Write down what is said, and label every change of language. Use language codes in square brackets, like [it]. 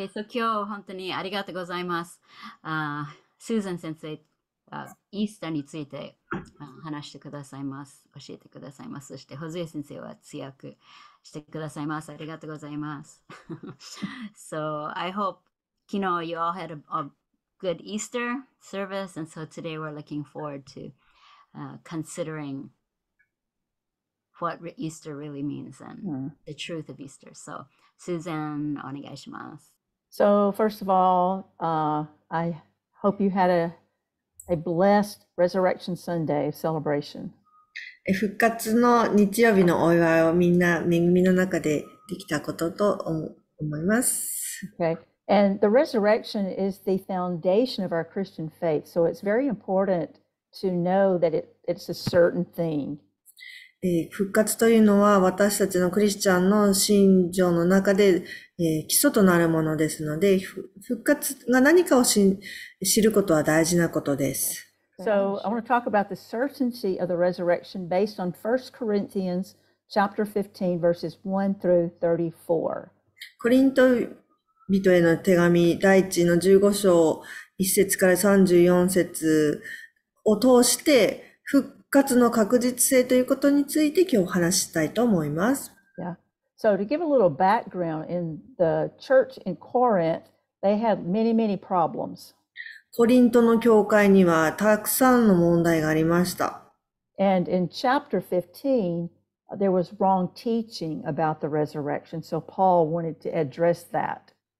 [ja] 今日本当にありがとうございます。スーザン先生、イースターについて話してくださいます。教えてくださいます。そして、ホズエ先生は通訳してくださいます。ありがとうございます。 [en] So, I hope, you know, you all had a good Easter service, and so today we're looking forward to considering what re Easter really means and the truth of Easter. So, Susan, [ja] お願いします。 [en] So first of all, I hope you had a blessed Resurrection Sunday celebration. [ja] 復活の日曜日のお祝いをみんな恵みの中でできたことと思います。 [en] Okay, and the resurrection is the foundation of our Christian faith, so it's very important to know that it's a certain thing. [ja] 復活というのは私たちのクリスチャンの信条の中で、基礎となるものですので、復活が何かを知ることは大事なことです。 [en] So, I want to talk about the certainty of the resurrection based on 1 Corinthians chapter 15, verses 1 through 34. [ja] コリント人への手紙第一の15章1節から34節を通して復活の確実性ということについて今日話したいと思います。 [en] So, to give a little background, in the church in Corinth, they had many, many problems. [ja] コリントの教会にはたくさんの問題がありました。 [en] And in chapter 15, there was wrong teaching about the resurrection, so Paul wanted to address that.